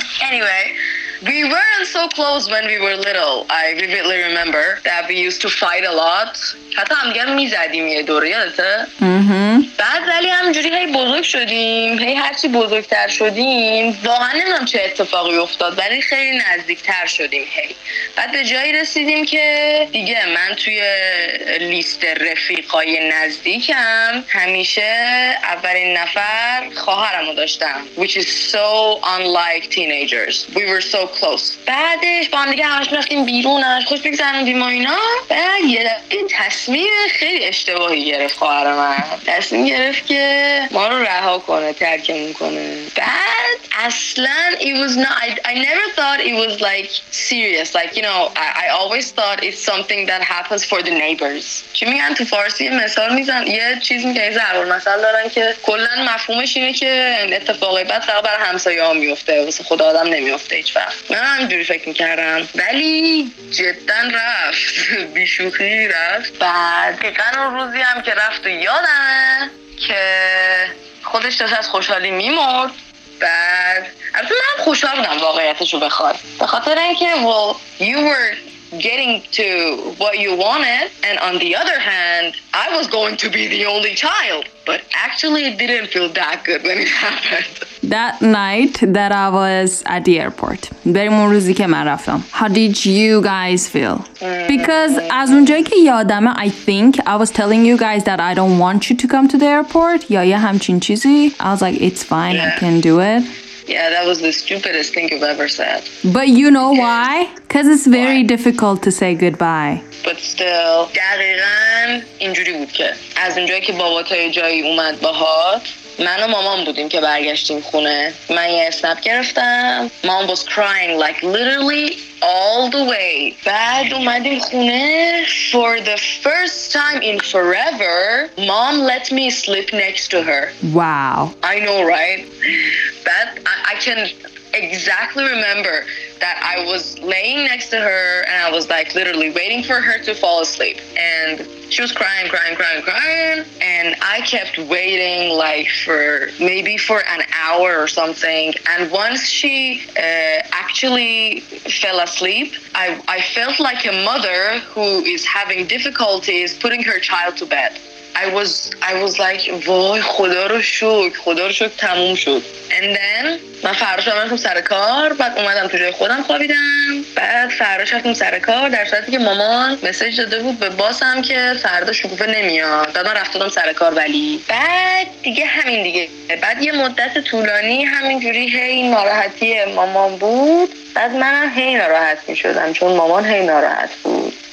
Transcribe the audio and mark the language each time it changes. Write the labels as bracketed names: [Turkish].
[English] Anyway, we weren't so close when we were little. I vividly remember that we used to fight a lot. [Persian] حتی هم دیگه میزدیم یه دوره، یادته؟ بعد ولی همجوری هی بزرگ شدیم، هی هرچی بزرگتر شدیم واقعا نمیدونم چه اتفاقی افتاد، ولی خیلی نزدیکتر شدیم هی. بعد به جایی رسیدیم که دیگه من توی لیست رفیقای نزدیکم همیشه اولین نفر خواهرمو داشتم، [English] which is so unlike teenagers. We were so [Persian] کلوز. بعدش با هم دیگه همش میرفتیم بیرون همش خوش بگذرونیم و اینا. بعد یه دفعه تصمیم خیلی اشتباهی گرفت خواهر من، تصمیم گرفت که ما رو رها کنه، ترکمون کنه. بعد اصلا [English] it was not I never thought it was like serious, like you know I always thought it's something that happens for the neighbors. [Persian] چی میگن تو فارسی مثال میزن یه چیز میگن زهر مثال دارن که کلا مفهومش اینه که اتفاقی بد فقط بر همسایه ها میفته واسه خود آدم نمیفته هیچ وقت. من همینجوری فکر میکردم ولی جدا رفت بیشوخی رفت. بعد دقیقا اون روزی هم که رفت و یادمه که خودش داشت از خوشحالی میمرد. بعد البته من هم خوشحال بودم واقعیتشو بخواد، به خاطر اینکه [English] well you were getting to what you wanted and on the other hand I was going to be the only child. But actually, it didn't feel that good when it happened. That night that I was at the airport, [Persian] بریم اون روزی که من رفتم. [English] How did you guys feel? Because [Persian] از اونجایی که یادمه [English] I think I was telling you guys that I don't want you to come to the airport. [Persian] یا یه همچین چیزی. [English] I was like, it's fine, yeah. I can do it. Yeah, that was the stupidest thing you've ever said. But you know why? Because it's very difficult to say goodbye. But still, [Persian] دقیقاً اینجوری بود که از اونجایی که بابا تا یه جایی اومد باهات، من و مامان بودیم که برگشتیم خونه. من یه اسنپ گرفتم. [English] Mom was crying like literally all the way. [Persian] بعد اومدیم خونه. [English] For the first time in forever, Mom let me sleep next to her. Wow. I know, right? But I can exactly remember that I was laying next to her and I was like literally waiting for her to fall asleep. And she was crying. And I kept waiting like for maybe for an hour or something. And once she actually fell asleep, I felt like a mother who is having difficulties putting her child to bed. I was like, [Persian] وای خدا رو شکر، خدا رو شکر تموم شد. [English] And then [Persian] من فراش رفتم سر کار، بعد اومدم تو جای خودم خوابیدم. بعد فراش رفتم سر کار در صورتی که مامان مسیج داده بود به باسم که فردا شکوفه نمیاد. بعد من رفتم سر کار. ولی بعد دیگه همین دیگه، بعد یه مدت طولانی همینجوری هی ناراحتی مامان بود، بعد منم هی ناراحت میشدم چون مامان هی ناراحت بود.